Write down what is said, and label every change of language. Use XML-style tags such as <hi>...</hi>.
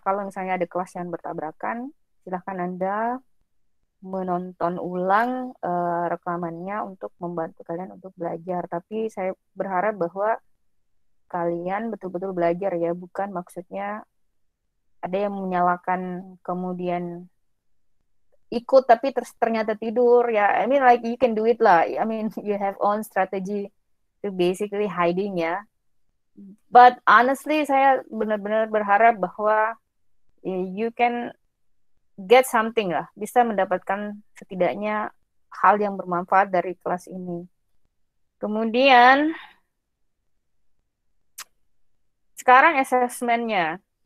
<id>Kalau misalnya ada kelas yang bertabrakan, silahkan Anda menonton ulang rekamannya untuk membantu kalian untuk belajar. Tapi saya berharap bahwa kalian betul-betul belajar ya, bukan maksudnya ada yang menyalakan kemudian ikut tapi ternyata tidur ya.</id> <en>I mean like you can do it lah. I mean you have own strategy to basically hiding ya. But honestly</en> <id>saya benar-benar berharap bahwa</id> <en>you can get something</en> <id>lah, bisa mendapatkan setidaknya hal yang bermanfaat dari kelas ini. Kemudian sekarang assessment-nya.</id>